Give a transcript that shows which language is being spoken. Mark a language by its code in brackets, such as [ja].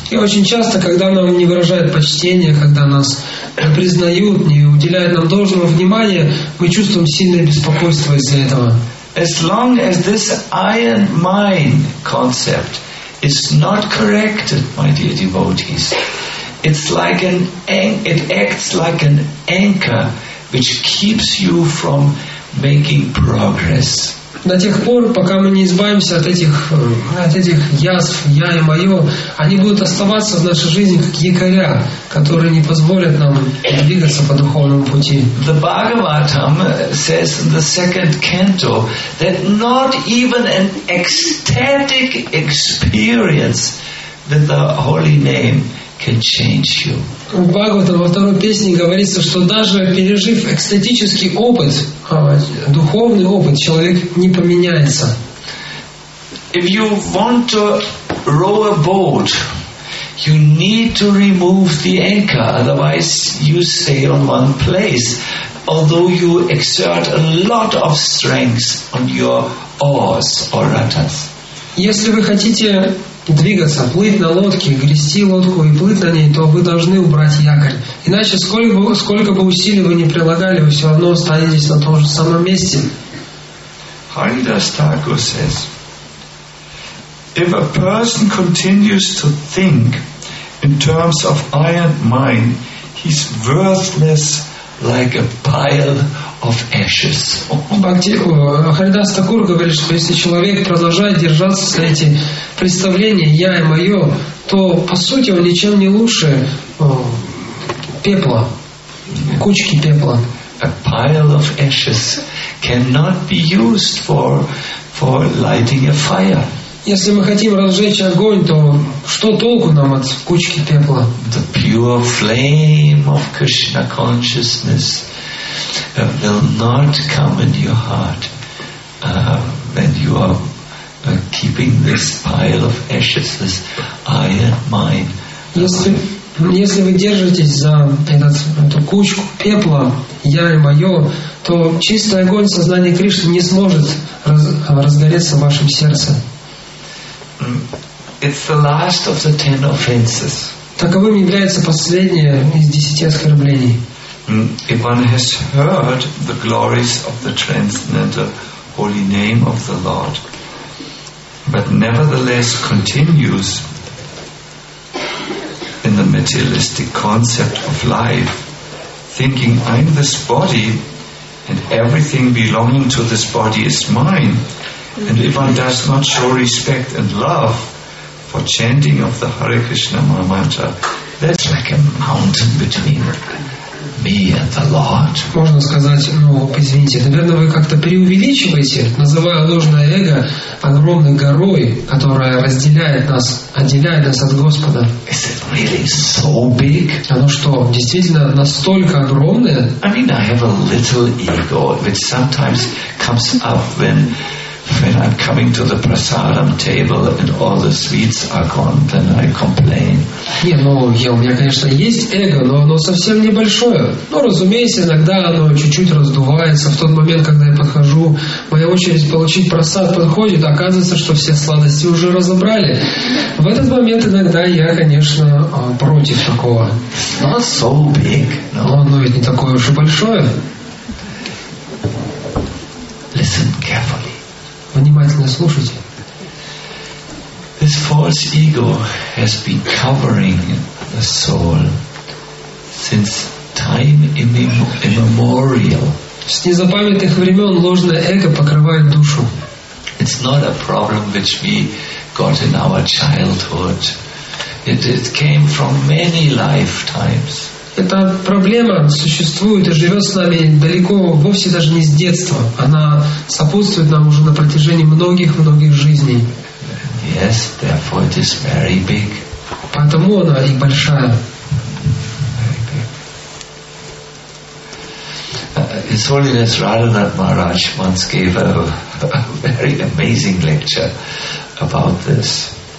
[ru] И очень часто, когда нам не выражают почтения, когда нас не признают, не уделяют нам должного внимания, мы чувствуем сильное беспокойство из-за этого. [en] As long as this I and mine concept is not corrected, my dear devotees, It acts like an anchor which keeps you from making progress. [ru] До тех пор, пока мы не избавимся от этих язв, я и мое, они будут оставаться в нашей жизни как якоря, которые не позволят нам двигаться по духовному пути. [en] The Bhagavatam says in the second canto that not even an ecstatic experience with the holy name can change you. [ru] В Бхагаватам во второй песне говорится, что даже пережив экстатический опыт, духовный опыт, человек не поменяется. [en] If you want to row a boat, you need to remove the anchor, otherwise you stay on one place, although you exert a lot of strength on your oars or rudders. [ru] Если вы хотите двигаться, плыть на лодке, грести лодку и плыть на ней, то вы должны убрать якорь. Иначе, сколько бы усилий вы ни прилагали, вы все равно останетесь на том же самом месте. [en] Haridas Thakur says, if a person continues to think in terms of I and mine, he's worthless like a pile of ashes. [ru] Haridas Thakur говорит, что если человек продолжает держаться за эти представления «я» и «моё», то, по сути, он ничем не лучше пепла, кучки пепла. [en] A pile of ashes cannot be used for lighting a fire. [ru] Если мы хотим разжечь огонь, то что толку нам от кучки пепла? [en] The pure flame of Krishna consciousness will not come in your heart when you are keeping this pile of ashes, this I and mine. [ru] Если вы держитесь за эту кучку пепла, я и мое, то чистый огонь сознания Кришны не сможет разгореться в вашем сердце. [en] It's the last of the ten offenses. [ru] Таковым является последнее из десяти оскорблений. [en] If one has heard the glories of the transcendental holy name of the Lord, but nevertheless continues in the materialistic concept of life, thinking I'm this body and everything belonging to this body is mine, and if one does not show respect and love for chanting of the Hare Krishna mantra, that's like a mountain between me and the Lord. [ru] Можно сказать, ну, извините, наверное, вы как-то преувеличиваете, называя ложное эго огромной горой, которая разделяет нас, отделяет нас от Господа. [en] Is it really so big? [ru] Оно что, действительно настолько огромное? [en] I mean, I have a little ego, which sometimes comes up when I'm coming to the prasadam table and all the sweets are gone, then I complain. [ru] Не, ну, я, у меня, конечно, есть эго, но оно совсем небольшое. Ну, разумеется, иногда оно чуть-чуть раздувается. В тот момент, когда я подхожу, моя очередь получить просад подходит, оказывается, что все сладости уже разобрали. В этот момент иногда я, конечно, против такого. [en] Not so big. [ru] Но оно ведь не такое уж и большое. [en] Listen carefully. [ru] Внимательно слушайте. [en] This false ego has been covering the soul since time immemorial. [ru] С незапамятных времен ложное эго покрывает душу. [en] It's not a problem which we got in our childhood. It came from many lifetimes. [ru] Эта проблема существует и живет с нами далеко, вовсе даже не с детства. Она сопутствует нам уже на протяжении многих-многих жизней. [en] Yes, therefore it is very big. [ru] Поэтому она и большая. [en] His Holiness Radhanath Maharaj once gave a very amazing lecture about this.